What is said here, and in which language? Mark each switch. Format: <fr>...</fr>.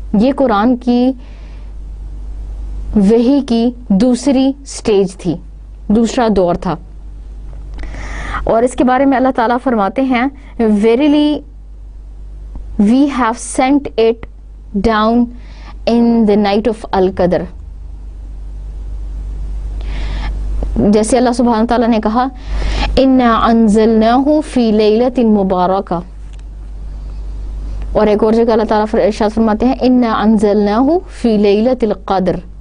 <ur>Ye Quran ki وحی کی دوسری سٹیج تھی, دوسرا دور تھا. اور اس کے بارے میں اللہ تعالیٰ فرماتے ہیں</ur> <en>Verily we have sent it down in the night of Al-Qadr.</en> <ur>جیسے اللہ سبحانہ وتعالیٰ نے کہا</ur> <ar>اِنَّا عَنزَلْنَاهُ فِي لَيْلَةٍ مُبَارَكَ.</ar> <ur>اور ایک اور جگہ اللہ تعالیٰ ارشاد فرماتے ہیں</ur> <ar>اِنَّا عَنزَلْنَاهُ فِي لَيْلَةِ الْقَدْرِ.</ar>